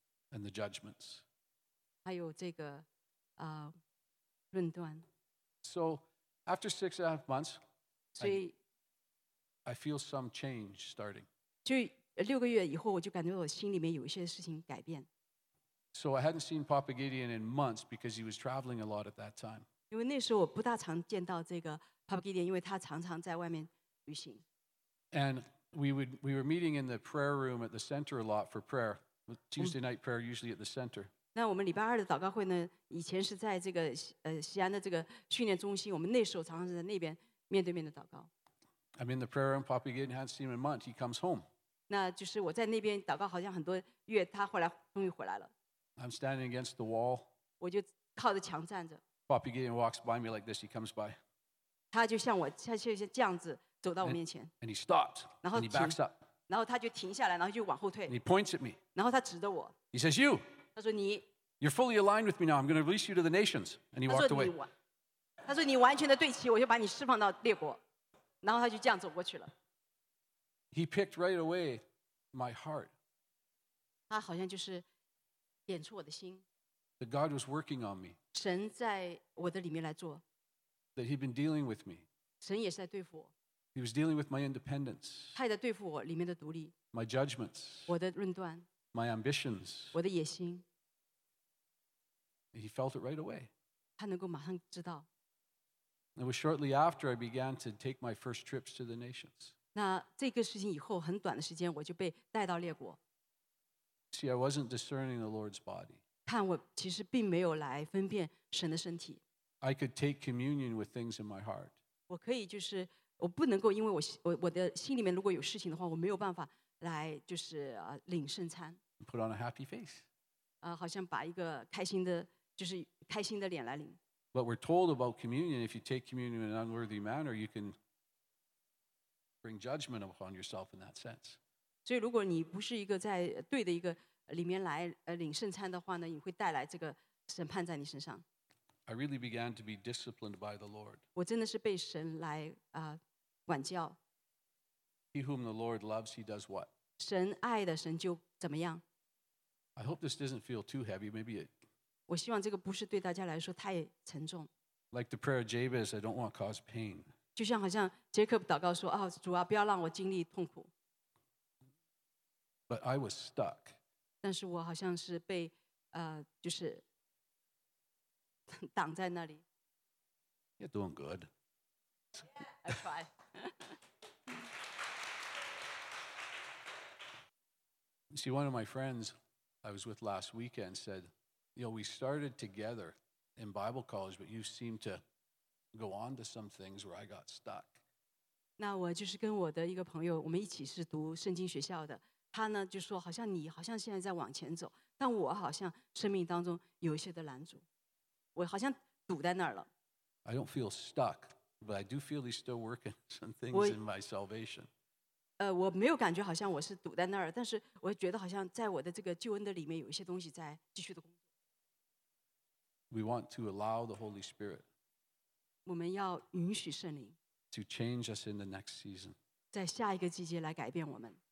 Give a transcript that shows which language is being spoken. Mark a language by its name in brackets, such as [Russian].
[English] And the judgments. [Chinese] 还有这个论断。 [English] So, after 6.5 months, [Chinese] 所以 [English] I feel some change starting. [Chinese] 就六个月以后，我就感觉我心里面有一些事情改变。 [English] So I hadn't seen Papa Gideon in months because he was traveling a lot at that time. [Chinese] 因为那时候我不大常见到这个 Papa Gideon, 因为他常常在外面旅行。 [English] And we were meeting in the prayer room at the center a lot for prayer. Tuesday night prayer usually at the center. [Chinese] 那我们礼拜二的祷告会呢，以前是在这个西安的这个训练中心，我们那时候常常是在那边面对面的祷告。 [English] I'm in the prayer room, Papa Gideon hadn't seen him in months, he comes home. [Chinese] 那就是我在那边祷告好像很多月，他后来终于回来了。 [English] I'm standing against the wall. [Chinese] 我就靠着墙站着。 [English] Papa Gideon walks by me like this. He comes by. [Chinese] 他就像我，他就像这样子走到我面前。 [English] And he stops. And he backs up. [Chinese] 然后他就停下来，然后就往后退。 [English] And he points at me. [Chinese] 然后他指着我。 [English] He says, "You." [Chinese] 他说你。 [English] You're fully aligned with me now. I'm going to release you to the nations. And he walked away. [Chinese] 他说你完全的对齐，我就把你释放到列国。然后他就这样走过去了。 [English] He picked right away my heart. [Chinese] 他好像就是。点出我的心。 [English] That God was working on me. [Chinese] 神在我的里面来做。 [English] That He'd been dealing with me. [Chinese] 神也是在对付我。 [English] He was dealing with my independence. [Chinese] 他也在对付我里面的独立。 [English] My judgments. [Chinese] 我的论断。 [English] My ambitions. [Chinese] 我的野心。 [English] He felt it right away. [Chinese] 他能够马上知道。 [English] It was shortly after I began to take my first trips to the nations. [Chinese] 那这个事情以后很短的时间，我就被带到列国。 [English] See, I wasn't discerning the Lord's body. [Chinese] 看我其实并没有来分辨神的身体。 [English] I could take communion with things in my heart. [Chinese] 我可以就是我不能够，因为我的心里面如果有事情的话，我没有办法来就是领圣餐。 [English] Put on a happy face. [Chinese] 好像把一个开心的，就是开心的脸来领。 [English] But we're told about communion, if you take communion in an unworthy manner, you can bring judgment upon yourself in that sense. [Chinese] 所以如果你不是一个在对的一个里面来领圣餐的话呢, 你会带来这个审判在你身上。 [English] I really began to be disciplined by the Lord. [Chinese] 我真的是被神来, [English] He whom the Lord loves, he does what? [Chinese] 神爱的神就怎么样? [English] I hope this doesn't feel too heavy. Maybe it... [Chinese] 我希望这个不是对大家来说太沉重。 [English] Like the prayer of Jabez, I don't want to cause pain. [Chinese] 就像好像杰克祷告说, 哦, 主啊, 不要让我经历痛苦。 [English] But I was stuck. [Chinese] 但是我好像是被, 就是, 挡在那里。 [English] You're doing good. Yeah, I try. See, one of my friends I was with last weekend said, you know, we started together in Bible college, but you seem to go on to some things where I got stuck. [Chinese] 那我就是跟我的一个朋友，我们一起是读圣经学校的，他呢，就说好像你好像现在在往前走，但我好像生命当中有一些的拦阻，我好像堵在那儿了。 [English] I don't feel stuck, but I do feel he's still working some things in my salvation. [Chinese] 我没有感觉好像我是堵在那儿，但是我觉得好像在我的这个救恩的里面有一些东西在继续的工作。 [English] We want to allow the Holy Spirit [Chinese] 我们要允许圣灵 [English] to change us in the next season [Chinese] 在下一个季节来改变我们